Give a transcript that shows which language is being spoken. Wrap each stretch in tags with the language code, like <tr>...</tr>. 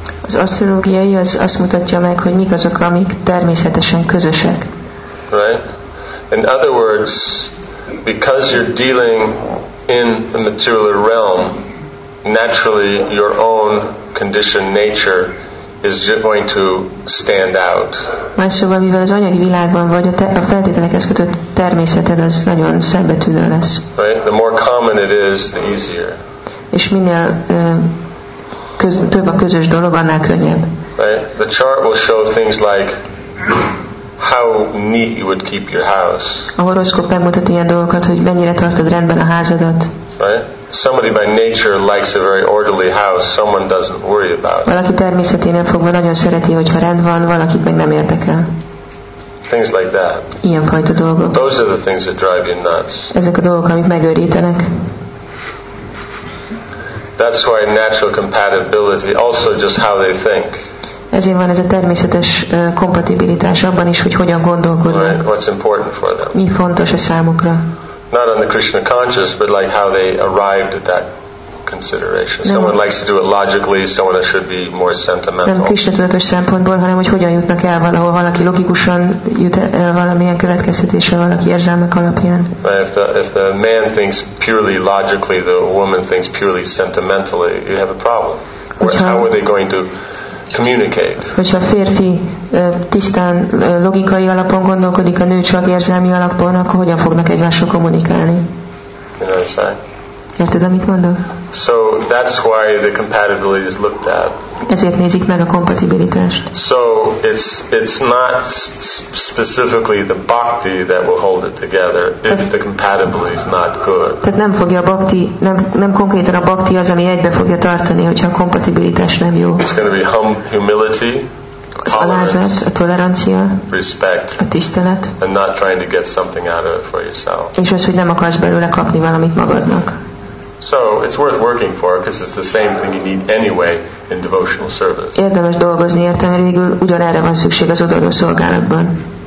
<hu>Az asztrológiai az azt mutatja meg, hogy mik azok, amik természetesen közösek.</hu> <en>Right? In other words, because you're dealing in the material realm, naturally your own condition, nature is just going to stand out.</en> <hu>Más szóval, mivel az anyagi világban vagy, a feltételekhez kötött természeted az nagyon szembetűnő lesz.</hu> <en>Right? The more common it is, the easier.</en> <hu>És minél több a közös dolog, annál könnyebb.</hu> <en>Right? The chart will show things like how neat you would keep your house.</en> <hu>A horoszkóp megmutat ilyen dolgokat, hogy mennyire tartod rendben a házadat.</hu> <en>Right? Somebody by nature likes a very orderly house. Someone doesn't worry about it.</en> <hu>Valaki természeténél fogva nagyon szereti, hogyha rend van, valakit meg nem érdekel.</hu> <en>Things like that.</en> <hu>Ilyenfajta dolgok.</hu> <en>Those are the things that drive you nuts.</en> <hu>Ezek a dolgok, amik megőrítenek.</hu> <en>That's why natural compatibility, also just how they think.</en> <hu>Ezért van ez a természetes kompatibilitás abban is, hogy hogyan gondolkodnak.</hu> <en>Right. What's important for them?</en> <hu>Mi fontos a számukra?</hu> <en>Not on the Krishna conscious, but like how they arrived at that consideration.</en> <hu>Nem</hu> <en>someone likes to do it logically, someone should be more sentimental.</en> <hu>Nem Krishna tudatos szempontból, hanem hogy hogyan jutnak el valahol, valaki logikusan jut el valamilyen következtetésre, valaki érzelmek alapján.</hu> <en>Right, if the man thinks purely logically, the woman thinks purely sentimentally, you have a problem. How are they going to communicate?</en> <hu>Hogyha a férfi tisztán logikai alapon gondolkodik, a nő csak érzelmi alapon, akkor hogyan fognak egymással kommunikálni? Érted, amit mondok?</hu> <en>So that's why the compatibility is looked at.</en> <hu>Ezért nézik meg a kompatibilitást.</hu> <en>So it's not specifically the bhakti that will hold it together if the compatibility is not good.</en> <hu>Tehát nem fogja a bhakti, nem konkrétan a bhakti az, ami egybe fogja tartani, hogyha a kompatibilitás nem jó.</hu> <en>It's going to be humility,</en> <hu>az alázat, a tolerancia,</hu> <en>respect,</en> <hu>a tisztelet,</hu> <en>and not trying to get something out of it for yourself.</en> <hu>És az, hogy nem akarsz belőle kapni valamit magadnak.</hu> <en>So it's worth working for because it's the same thing you need anyway in devotional service.</en> <hu>Érdemes dolgozni érte, mert végül ugyanerre van szükség az odaadó szolgálatban.</hu>